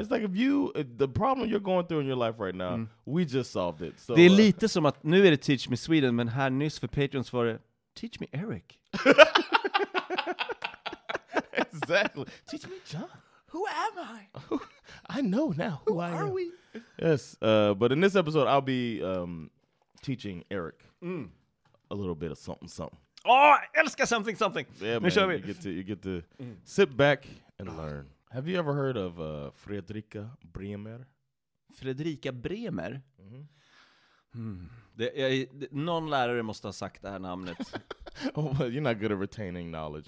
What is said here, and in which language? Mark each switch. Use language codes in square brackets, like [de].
[en] It's like the problem you're going through in your life right now, we just solved it. [sv] So, det är lite som att nu är det Teach Me Sweden, men här nyss för patrons var det Teach Me Eric. [en] Exactly. Teach me, John. Who am I? I know now. Who are we? Yes. But in this episode, I'll be teaching Eric a little bit of something, something. Oh, I love something, something. Yeah, man. Show me. You get to sit back and learn. Have you ever heard of Fredrika Bremer? Fredrika Bremer? [sv] Någon lärare måste ha sagt det här namnet. [en] Oh, well, you're not good at retaining knowledge.